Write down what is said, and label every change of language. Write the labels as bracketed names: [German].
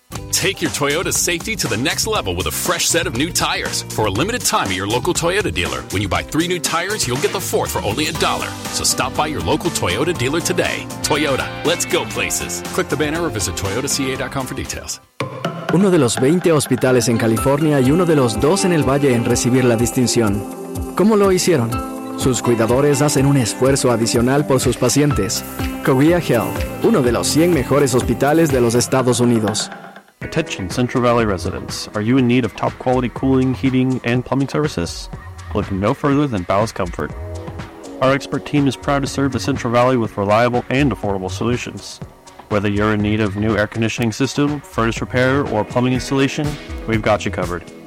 [English] Take your Toyota safety to the next level with a fresh set of new tires. For a limited time at your local Toyota dealer, when you buy three new tires, you'll get the fourth for only a dollar. So stop by your local Toyota dealer today. Toyota, let's go places. Click the banner or visit toyotaca.com for details. [Spanish] Uno de los 20 hospitales en California y uno de los dos en el Valle en recibir la distinción. ¿Cómo lo hicieron? Sus cuidadores hacen un esfuerzo adicional por sus pacientes. Korea Health, uno de los 100 mejores hospitales de los Estados Unidos. [English] Attention Central Valley residents, are you in need of top quality cooling, heating, and plumbing services? Look no further than Ballast Comfort. Our expert team is proud to serve the Central Valley with reliable and affordable solutions. Whether you're in need of new air conditioning system, furnace repair, or plumbing installation, we've got you covered.